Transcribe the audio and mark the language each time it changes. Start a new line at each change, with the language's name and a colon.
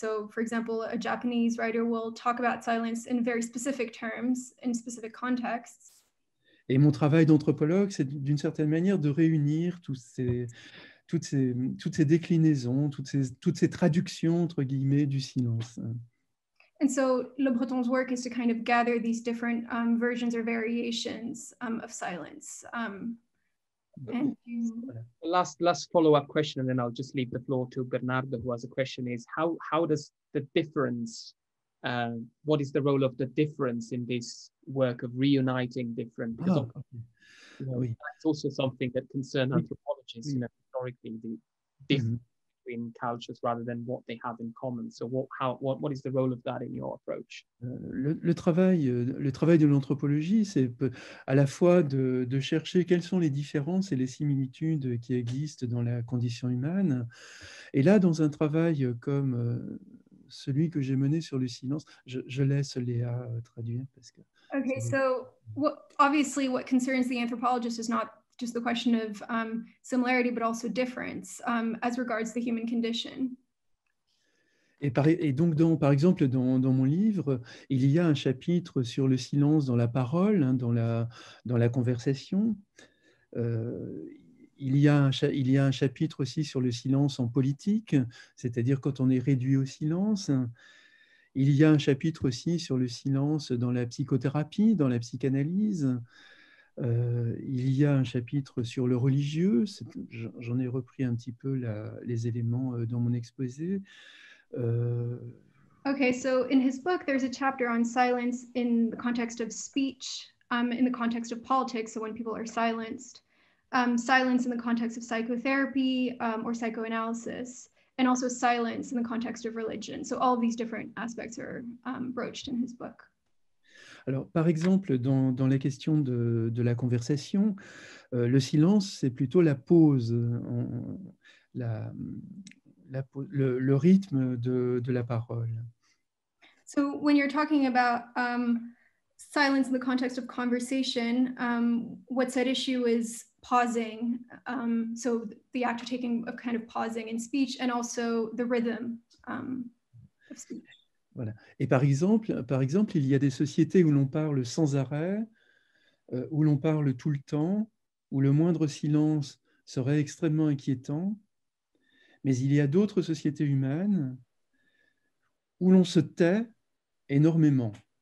English: So, for example, a Japanese writer will talk about silence in very specific terms, in specific contexts.
French: Et mon travail d'anthropologue, c'est d'une certaine manière de réunir toutes ces déclinaisons, toutes ces traductions entre guillemets du silence.
English: And so, Le Breton's work is to kind of gather these different versions or variations of silence. And last follow-up question, and then I'll just leave the floor to Bernardo, who has a question, is how does the difference, what is the role of the difference in this work of reuniting different, because that's also something that concerns anthropologists, historically, the difference between cultures rather than what they have in common. So what is the role of that in your approach?
French: Le travail de l'anthropologie, c'est à la fois de chercher quelles sont les différences et les similitudes qui existent dans la condition humaine. Et là, dans un travail comme celui que j'ai mené sur le silence, je laisse Léa traduire parce que.
English: Okay, so obviously, what concerns the anthropologist is not just the question of similarity, but also difference as regards the human condition.
French: Et donc, par exemple, dans mon livre, il y a un chapitre sur le silence dans la parole, hein, dans la conversation. Il y a un chapitre aussi sur le silence en politique, c'est-à-dire quand on est réduit au silence. Il y a un chapitre aussi sur le silence dans la psychothérapie, dans la psychanalyse. Il y a un chapitre sur le religieux, j'en ai repris un petit peu les éléments dans mon exposé.
English: Okay, so in his book, there's a chapter on silence in the context of speech, in the context of politics, so when people are silenced, silence in the context of psychotherapy or psychoanalysis, and also silence in the context of religion. So all of these different aspects are broached in his book.
French: Alors, par exemple, dans la question de la conversation, le silence, c'est plutôt la pause, le rythme de la parole.
English: So, when you're talking about silence in the context of conversation, what's at issue is pausing, so the act of taking a kind of pausing in speech, and also the rhythm of speech.
French: Voilà. Et par exemple, il y a des sociétés où l'on parle sans arrêt, où l'on parle tout le temps, où le moindre silence serait extrêmement inquiétant. Mais il y a d'autres sociétés humaines où l'on se tait énormément.